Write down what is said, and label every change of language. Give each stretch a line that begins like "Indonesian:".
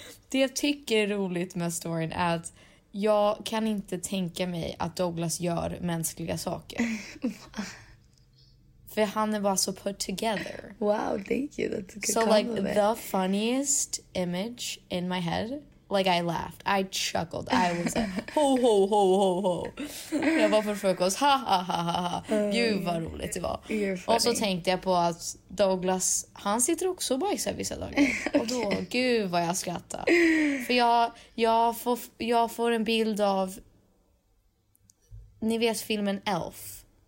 Swedish: Det jag tycker är roligt med storyn är att jag kan inte tänka mig att Douglas gör mänskliga saker. För han är bara så
English: put together. Wow, thank you. That's a good compliment. So like the funniest image in my head Like, I laughed. I chuckled. I was like, ho, ho, ho, ho, ho.
Swedish: Jag bara för frukost. Ha, ha, ha, ha, ha. Gud, vad roligt det var. Och så tänkte jag på att Douglas, han sitter också och bajsar vissa dagar. Okay. Och då, gud vad jag skrattar. För jag får en bild av, ni vet filmen Elf.